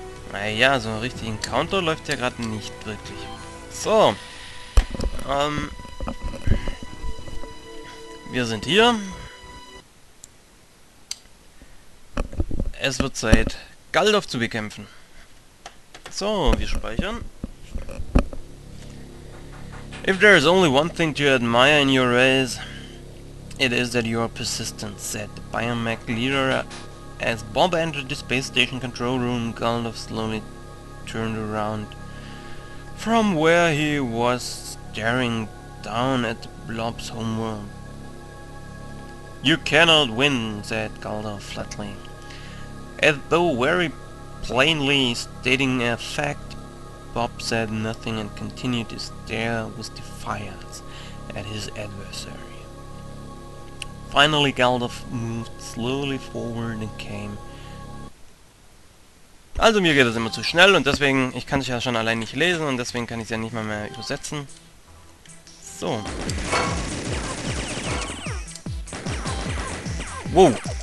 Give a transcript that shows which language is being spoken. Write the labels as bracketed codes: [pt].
[de] Naja, so einen richtigen Counter läuft ja gerade nicht wirklich. So. Wir sind hier. Es wird Zeit, Galdorf zu bekämpfen. So, wir speichern. [en] If there is only one thing to admire in your race, it is that you are persistent, said the Biomech leader As Bob entered the space station control room, Gandalf slowly turned around. From where he was staring down at Blob's homeworld. "You cannot win," said Gandalf flatly. As though very plainly stating a fact, Bob said nothing and continued to stare with defiance at his adversary. Finally, Gandalf moved slowly forward and came. [de] Also mir geht das immer zu schnell und deswegen, ich kann es ja schon allein nicht lesen und deswegen kann ich es ja nicht mal mehr übersetzen. So. Wow.